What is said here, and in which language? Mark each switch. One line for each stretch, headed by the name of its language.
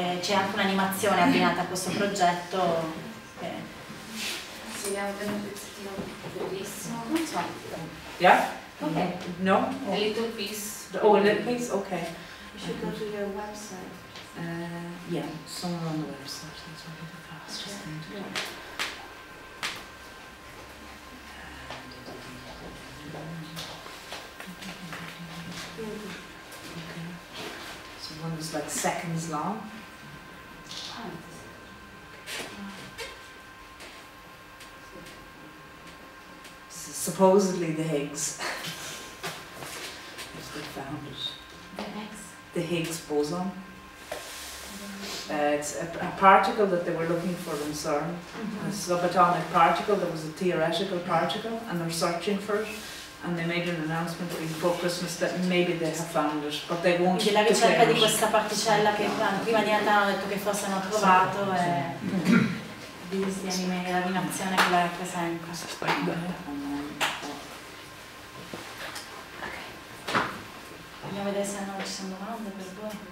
Italian: C'è anche un'animazione abbinata a questo progetto. Sì, è un pezzettino bellissimo. Non so.
English: Yeah? Ok. No? A little piece. Oh, a little piece? Ok. You should go to your website. Yeah, somewhere on the website. That's one of the fastest things to do. One was like seconds long. This is supposedly the Higgs. Yes, they found it. The Higgs? The Higgs boson. It's a particle that they were looking for in CERN. Mm-hmm. A subatomic particle that was a theoretical particle, and they're searching for it. And they made an announcement before Christmas that maybe they have found it, but they won't.
Italian: La ricerca di questa particella che prima di Natale hanno detto che forse hanno trovato è di anime e l'animazione che la rappresenta. Andiamo a vedere se hanno ci sono domande per voi.